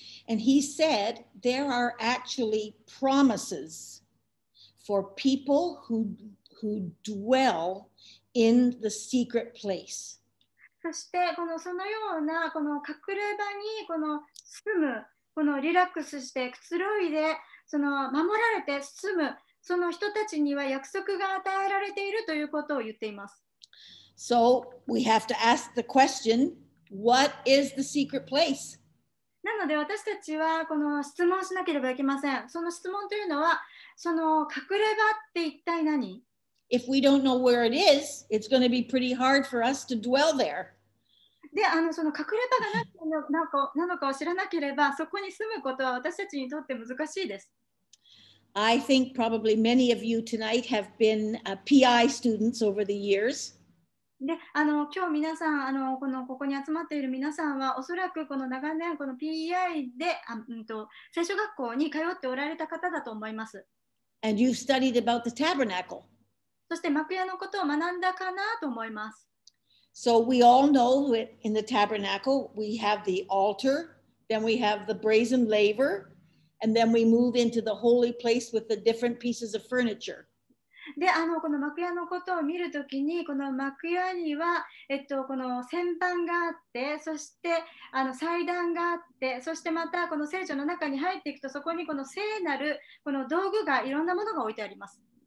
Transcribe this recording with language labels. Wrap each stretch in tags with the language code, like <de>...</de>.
<en>And he said, there are actually promises for people who dwell in the secret place.</en> <ja>そしてこのそのようなこの隠れ場にこの住む、このリラックスしてくつろいで、その守られて住むその人たちには約束が与えられているということを言っています。</ja> <en>So we have to ask the question, what is the secret place?</en> <ja>なので私たちはこの質問しなければいけません。その質問というのは、その隠れ場って一体何？</ja> <en>If we don't know where it is, it's going to be pretty hard for us to dwell there.</en> <ja>で、その隠れ場が何なのかを知らなければ、そこに住むことは私たちにとって難しいです。</ja> <en>I think probably many of you tonight have been PI students over the years.</en> <ja>で、今日皆さん、ここに集まっている皆さんは、おそらくこの長年、この PI で、聖書学校に通っておられた方だと思います。</ja> <en>And you've studied about the tabernacle.</en> <ja>そして幕屋のことを学んだかなと思います。</ja> <en>So we all know that in the tabernacle, we have the altar, then we have the brazen laver, and then we move into the holy place with the different pieces of furniture.</en> <ja>で、この幕屋のことを見るときに、この幕屋には、この旋盤があって、そして祭壇があって、そしてまたこの聖所の中に入っていくと、そこにこの聖なるこの道具がいろんなものが置いてあります。</ja>